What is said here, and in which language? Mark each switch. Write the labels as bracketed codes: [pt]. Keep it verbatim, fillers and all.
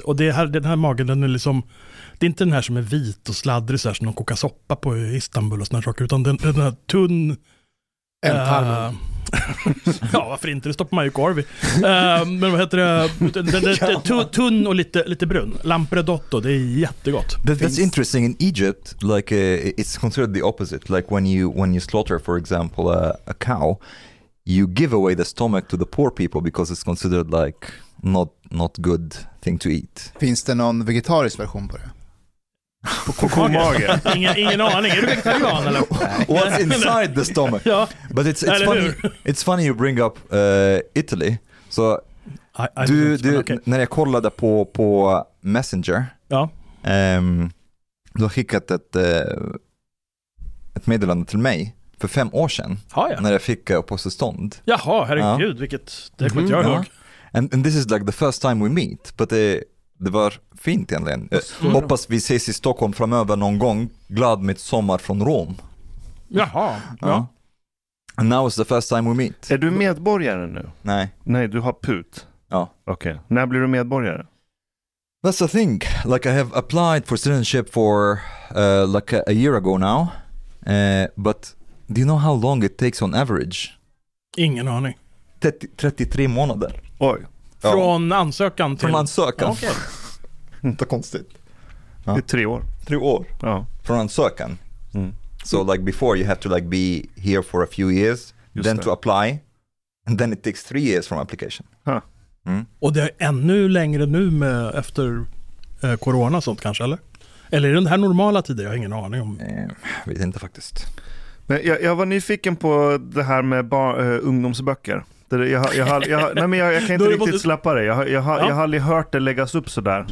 [sv] Och det här, den här magen, den är liksom... Det är inte den här som är vit och sladdrig så här, som de kokar soppa på i Istanbul och såna här saker, utan den, den här tunn... Ändtarmen. Uh, ja, varför inte? Det stoppar man ju korv i. Uh, men vad heter det? Den, den, den, den, tunn och lite, lite brun. Lampredotto, det är jättegott. [en] But that's interesting. In Egypt, like uh, it's considered the opposite. Like when you, when you slaughter, for example, a, a cow, you give away the stomach to the poor people because it's considered like not, not good thing to eat. [sv] Finns det någon vegetarisk version på det? På komagen. ingen, ingen aning. Är du vegetarian eller? [en] What's inside the stomach? [sv] Ja. [en] But it's it's funny. It's funny you bring up uh, Italy. So I, I [sv] du, du, [en] okay. [sv] När jag kollade på på Messenger. Ja. Um, du har skickat ett uh, ett meddelande till mig för fem år sedan. Ha, ja. När jag fick uppehållstillstånd. Jaha, herregud, ja. Vilket det kommer jag ihåg. [en] And and this is like the first time we meet, but uh, [sv] det var fint egentligen. [en] Mm. [sv] Hoppas vi ses i Stockholm framöver någon gång. Glad midsommar från Rom. Jaha. Ja. [en] And now is the first time we meet. [sv] Är du medborgare nu? Nej. Nej, du har put. Ja. Okej. Okay. När blir du medborgare? [en] That's the thing. Like I have applied for citizenship for uh, like a, a year ago now. Uh, but do you know how long it takes on average? [sv] Ingen aning. trettiotre månader. Oj. Från ansökan till... Från ansökan. [en] Okay. [sv] Inte konstigt. Ja. Det är tre år. Tre år? Ja. Från ansökan. Mm. [en] So like before you have to like be here for a few years, just then det. To apply, and then it takes three years from application. Huh. Mm. [sv] Och det är ännu längre nu med, efter eh, corona och sånt kanske, eller? Eller är det den här normala tiden? Jag har ingen aning om. Jag vet inte faktiskt. Men jag, jag var nyfiken på det här med bar, eh, ungdomsböcker. Jag, jag, jag, jag, nej men jag, jag kan inte riktigt måste... släppa det. Jag, jag, jag, jag har aldrig hört det läggas upp sådär.